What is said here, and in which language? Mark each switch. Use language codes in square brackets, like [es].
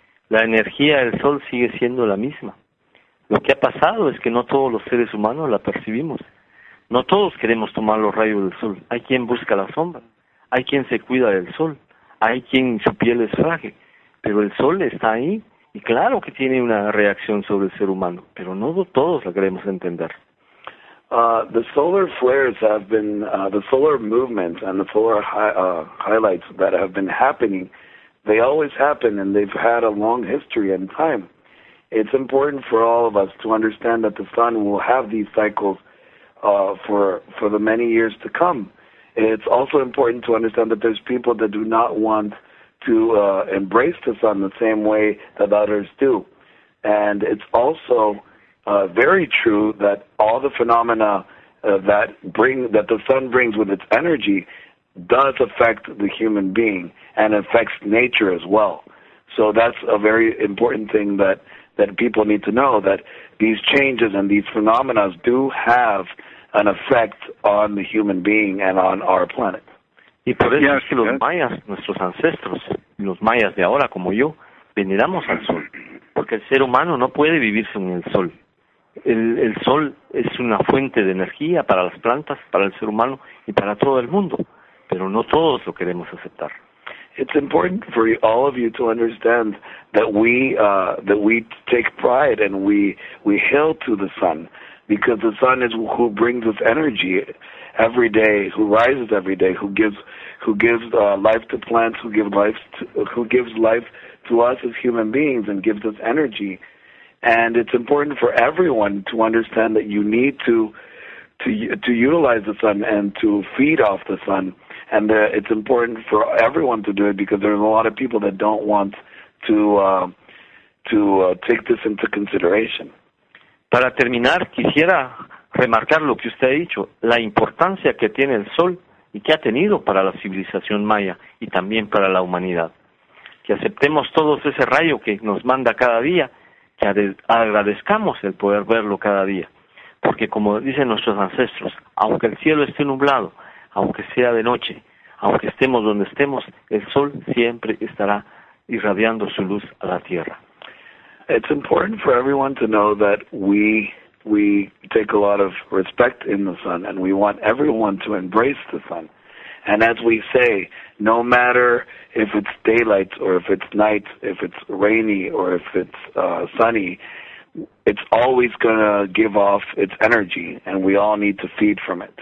[es] La energía del sol sigue siendo la misma. Lo que ha pasado es que no todos los seres humanos la percibimos. No todos queremos tomar los rayos del sol. Hay quien busca la sombra. Hay quien se cuida del sol. Hay quien su piel es frágil. Pero el sol está ahí y claro que tiene una reacción sobre el ser humano. Pero no todos la queremos entender. [en] The solar flares have been, the solar movements and the solar highlights that have been happening, they always happen and they've had a long history and time. It's important for all of us to understand that the sun will have these cycles for the many years to come. It's also important to understand that there's people that do not want to embrace the sun the same way that others do. And it's also very true that all the phenomena that the sun brings with its energy does affect the human being and affects nature as well. So that's a very important thing that people need to know, that these changes and these phenomena do have an effect on the human being and on our planet. [es] Y por eso es que los mayas, nuestros ancestros, los mayas de ahora como yo, veneramos al sol, porque el ser humano no puede vivir sin el sol. El sol es una fuente de energía para las plantas, para el ser humano y para todo el mundo, pero no todos lo queremos aceptar. [en] It's important for all of you to understand that we take pride and we hail to the sun, because the sun is who brings us energy every day, who rises every day, who gives life to plants, who gives life to us as human beings and gives us energy. And it's important for everyone to understand that you need to utilize the sun and to feed off the sun. And it's important for everyone to do it, because there's a lot of people that don't want to take this into consideration. [es] Para terminar, quisiera remarcar lo que usted ha dicho, la importancia que tiene el sol y que ha tenido para la civilización maya y también para la humanidad. Que aceptemos todos ese rayo que nos manda cada día, que agradezcamos el poder verlo cada día. Porque como dicen nuestros ancestros, aunque el cielo esté nublado, aunque sea de noche, aunque estemos donde estemos, el sol siempre estará irradiando su luz a la tierra. [en] It's important for everyone to know that we take a lot of respect in the sun, and we want everyone to embrace the sun. And as we say, no matter if it's daylight or if it's night, if it's rainy or if it's sunny, it's always going to give off its energy, and we all need to feed from it.